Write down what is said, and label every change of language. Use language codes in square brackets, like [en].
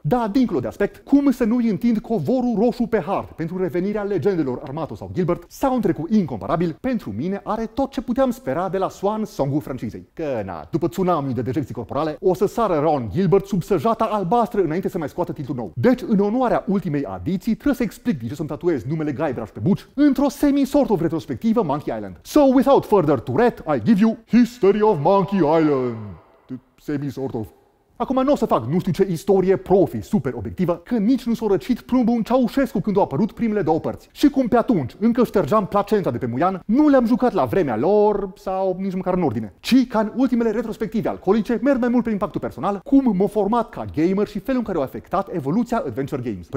[ro] Da, dincolo de aspect, cum să nu-i întind covorul roșu pe hard pentru revenirea legendelor Armato sau Gilbert, soundtrack cu incomparabil, pentru mine are tot ce puteam spera de la Swan Song-ul francizei. Că na, după tsunami de dejecții corporale, o să sară Ron Gilbert sub săjata albastră înainte să mai scoată titlul nou. Deci, în onoarea ultimei adiții, trebuie să explic de ce să-mi tatuez numele Guybrush pe buci într-o semi-sort of retrospectivă Monkey Island. [en] So, without further Tourette, I give you History of Monkey Island. Semi-sort of. [ro] Acum nu o să fac nu știu ce istorie profi super obiectivă, că nici nu s-a răcit plumbul în Ceaușescu când au apărut primele două părți. Și cum pe atunci încă ștergeam placenta de pe Muian, nu le-am jucat la vremea lor sau nici măcar în ordine. Ci ca în ultimele retrospective alcoolice merg mai mult pe impactul personal, cum m-a format ca gamer și felul în care a afectat evoluția Adventure Games.